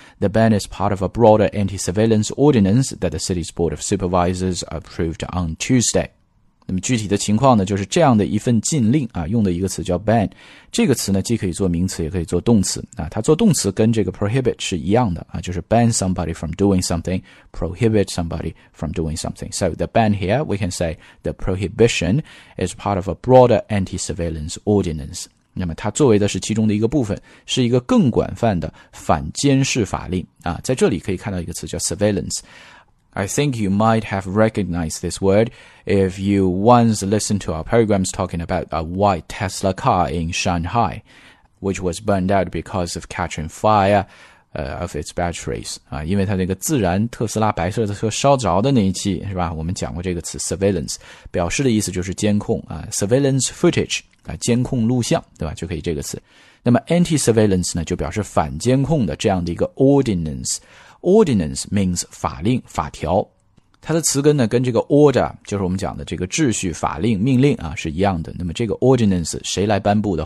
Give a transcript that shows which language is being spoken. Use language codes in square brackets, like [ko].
[en] The ban is part of a broader anti-surveillance ordinance that the city's board of supervisors approved on Tuesday. [zh] 那么具体的情况呢，就是这样的一份禁令啊，用的一个词叫 ban。这个词呢，既可以做名词，也可以做动词啊。它做动词跟这个 prohibit 是一样的啊，就是 [en] ban somebody from doing something, prohibit somebody from doing something. So the ban here, we can say the prohibition is part of a broader anti-surveillance ordinance. [zh] 那么它作为的是其中的一个部分，是一个更广泛的反监视法令啊。在这里可以看到一个词叫 surveillance。 [en] I think you might have recognized this word if you once listened to our programs talking about a white Tesla car in Shanghai, which was burned out because of catching fire, of its batteries. [zh] 啊，因为它那个自燃特斯拉白色的车烧着的那一期，是吧？我们讲过这个词 surveillance， 表示的意思就是监控啊 ， [en] surveillance footage。 [zh] 啊，监控录像，对吧？就可以这个词。那么 anti-surveillance 呢，就表示反监控的这样的一个 ordinance。 [en] ordinance means [zh] 法令、法条。它的词根呢，跟这个 order 就是我们讲的这个秩序、法令、命令啊，是一样的。那么这个 ordinance 谁来颁布的？